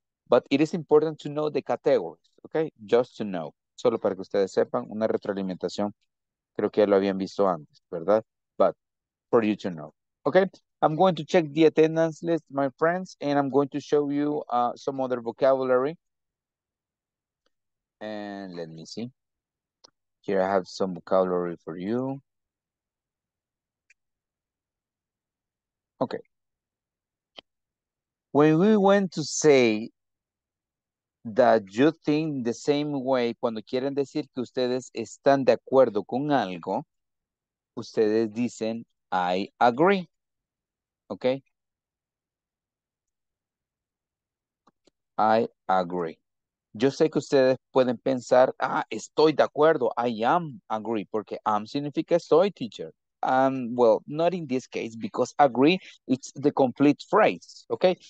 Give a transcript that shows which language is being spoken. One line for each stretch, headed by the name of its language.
English: But it is important to know the categories. Okay? Just to know.
Spanish: Solo para que ustedes sepan, una retroalimentación. Creo que ya lo habían visto antes, ¿verdad?
English: But for you to know. Okay? I'm going to check the attendance list, my friends, and I'm going to show you some other vocabulary. And let me see. Here I have some vocabulary for you. Okay. When we went to say that you think the same way,
Spanish: cuando quieren decir que ustedes están de acuerdo con algo, ustedes dicen,
English: I agree. Okay. I agree.
Spanish: Yo sé que ustedes pueden pensar, ah, estoy de acuerdo,
English: I am agree,
Spanish: porque am significa estoy,
English: teacher. Well, not in this case, because agree, it's the complete phrase, okay?